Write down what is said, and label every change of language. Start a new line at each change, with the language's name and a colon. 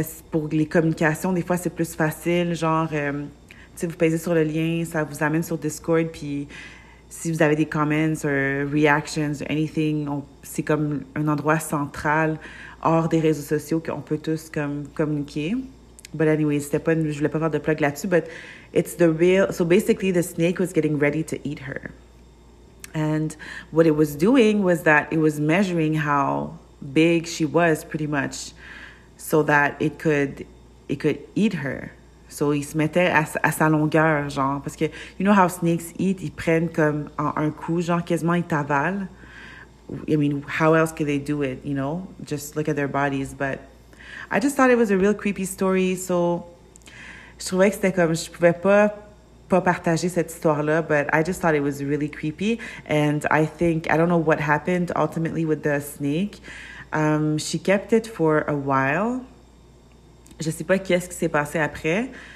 French: Pour les communications, des fois, c'est plus facile. Genre, tu sais, vous pèsez sur le lien, ça vous amène sur Discord, puis si vous avez des
English: comments or reactions or anything,
French: c'est comme un endroit central hors des réseaux sociaux qu'on peut tous comme communiquer.
English: But anyway,
French: c'était pas, je voulais pas faire de plug là-dessus,
English: but it's the real... So basically, the snake was getting ready to eat her. And what it was doing was that it was measuring how big she was, pretty much, so that it could eat her.
French: So il se mettait à sa longueur, genre, parce que
English: you know how snakes eat,
French: ils prennent comme en un coup, genre quasiment ils t'avalent.
English: I mean, how else could they do it, you know? Just look at their bodies. But I just thought it was a real creepy story, so
French: je trouvais que c'était comme, je pouvais pas partager cette histoire-là,
English: but I just thought it was really creepy. And I think, I don't know what happened ultimately with the snake. She kept it for a while.
French: Je sais pas qu'est-ce qui s'est passé après.